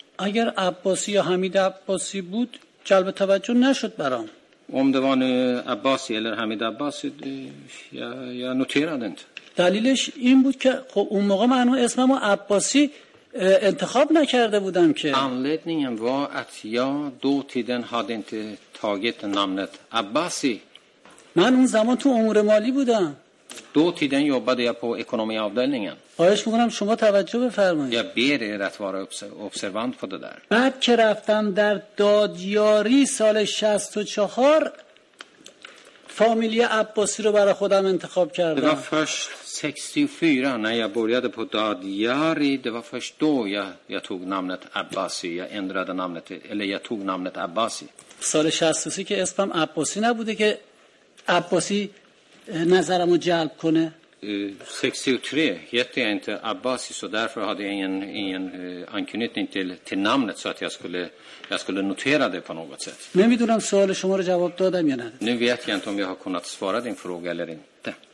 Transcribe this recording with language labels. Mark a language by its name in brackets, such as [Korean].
[Persian] اگر عباسی یا حمید عباسی بود جلب توجه نشد برام. امدوان عباسی یا حمید عباسی یا نوتیرد انت. دلیلش این بود که خب اون موقع من اسمم عباسی انتخاب نکرده بودم که. [Swedish] Anledningen var att jag då tiden hade inte tagit namnet Abbasi. [Persian] من اون زمان تو امور مالی بودم. [Swedish] Då tiden jobbade jag på ekonomiavdelningen. [Persian] خواهش میکنم شما توجه بفرمایید. [Swedish] Jag ber er att vara observant på det där. [Persian] بعد که رفتم در دادیاری سال 64 فامیلی عباسی رو برای خودم انتخاب کردم. [Swedish] Det var först 64 när jag började på Dadiari. Det var först då jag tog namnet Abbasi. Jag ändrade namnet, eller jag tog namnet Abbasi. [Persian] سال 63 که اسمم عباسی نبوده که عباسی نظرمو جلب کنه. [Swedish] 63 hette jag inte Abbasi, så därför hade jag ingen anknytning till namnet, så att jag skulle notera det på något sätt. [Persian] نمیدونم سوال شما رو جواب دادم یا نه. [Swedish] Nu vet jag inte om jag har kunnat svara din fråga eller inte.